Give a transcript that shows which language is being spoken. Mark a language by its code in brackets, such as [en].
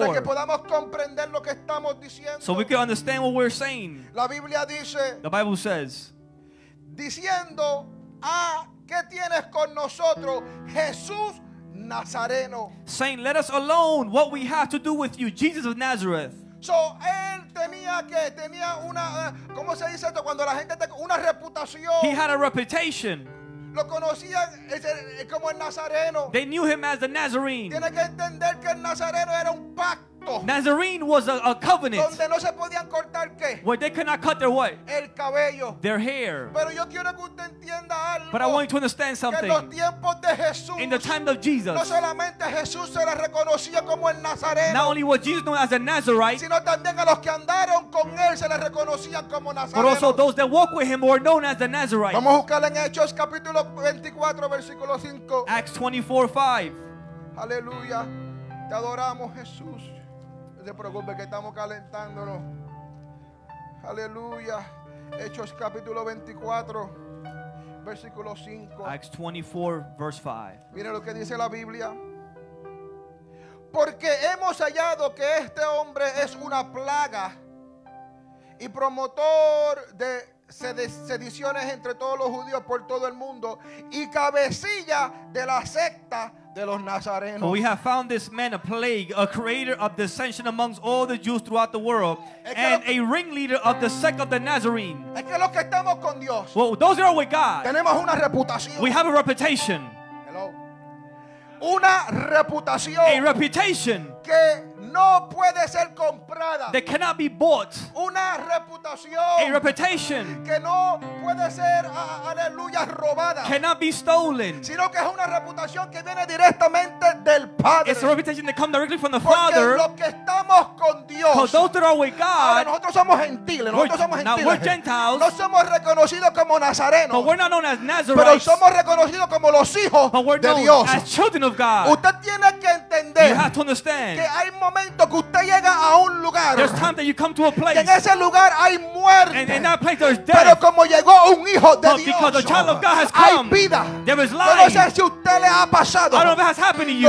[es] para que podamos comprender lo que estamos diciendo, [en] so we can understand what we're saying. [es] La Biblia dice, [en] the Bible says, [es] diciendo, ah, ¿qué tienes con nosotros, Jesús Nazareno? [en] Saying, let us alone, what we have to do with you, Jesus of Nazareth. [es] So él tenía que tenía una ¿cómo se dice esto? Cuando la gente te, una reputación. [en] He had a reputation. [es] Lo conocían como el Nazareno. [en] They knew him as the Nazarene. [es] Tiene que entender que el Nazareno era un pacto. [en] Nazarene was a covenant. [es] Donde no se podían cortar qué? [en] Where they could not cut their what? [es] El cabello. [en] Their hair. [es] Pero yo quiero que usted entienda algo. [en] But I want you to understand something. [es] Que en los tiempos de Jesús. [en] In the time of Jesus. [es] No solamente Jesús se le reconocía como el Nazareno. [en] Not only was Jesus known as a Nazarite. [es] Sino también a los que andaron con él se le reconocía como Nazareno. [en] But also those that walked with him were known as the Nazarite. [es] Vamos a buscar en Hechos capítulo 24, versículo 5. [en] Acts 24:5. [es] Aleluya. Te adoramos, Jesús. No se preocupe que estamos calentándonos. Aleluya. Hechos capítulo 24, versículo 5. Acts 24, verse 5. Mire lo que dice la Biblia. Porque hemos hallado que este hombre es una plaga y promotor de sediciones entre todos los judíos por todo el mundo y cabecilla de la secta de los nazarenos. [en] For we have found this man a plague, a creator of dissension amongst all the Jews throughout the world, and a ringleader of the sect of the Nazarene. [es] Es que los que estamos con Dios, [en] well, those that are with God, [es] tenemos una reputación. [en] We have a reputation. [es] Hello. Una reputación. [en] A reputation. [es] Que no puede ser comprada. [en] That cannot be bought. [es] Una reputación. [en] A reputation. [es] Que no puede ser, aleluya, robada. [en] Cannot be stolen. [es] Sino que es una reputación que viene directamente del Padre. [en] It's a reputation that comes directly from the [es] Porque [en] Father. [es] Porque los que estamos con Dios. [en] Because those that are with God. [es] Ahora nosotros somos gentiles. Nosotros somos gentiles. [en] Now we're Gentiles. [es] No somos reconocidos como nazarenos. [en] But we're not known as Nazarenes. [es] Pero somos reconocidos como los hijos [en] But we're known as children of God. [es] Usted tiene que entender. [en] You have to understand. [es] Que hay momento que usted llega a un lugar. [en] There's time that you come to a place. [es] En ese lugar hay muerte. [en] And in that place there's death. [es] Pero como llegó un hijo de [en] but [es] Dios. [en] Because the child of God has come. [es] Hay vida. [en] There is life. [es] No sé si usted le ha pasado. [en] I don't know if it has happened to you.